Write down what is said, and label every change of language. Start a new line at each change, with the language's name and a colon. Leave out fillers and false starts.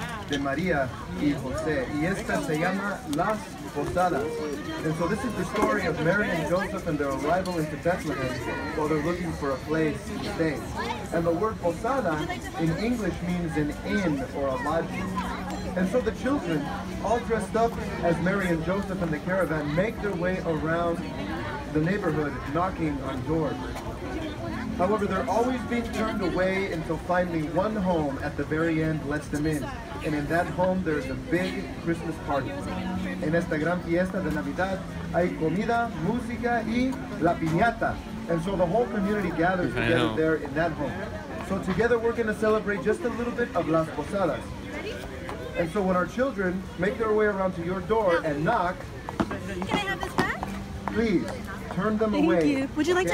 Spanish: De María y José, y esta se llama Las Posadas.
English: And so this is the story of Mary and Joseph and their arrival into Bethlehem while they're looking for a place to stay. And the word posada in English means an inn or a lodging. And so the children, all dressed up as Mary and Joseph and the caravan, make their way around the neighborhood knocking on doors. However, they're always being turned away until finally one home at the very end lets them in. And in that home, there's a big Christmas party.
Spanish: En esta gran fiesta de Navidad, hay comida, música y la piñata.
English: And so the whole community gathers together there in that home. So together we're going to celebrate just a little bit of Las Posadas. And so when our children make their way around to your door and knock. Can I have this back? Please. Turn them Thank away. You. Would you like okay?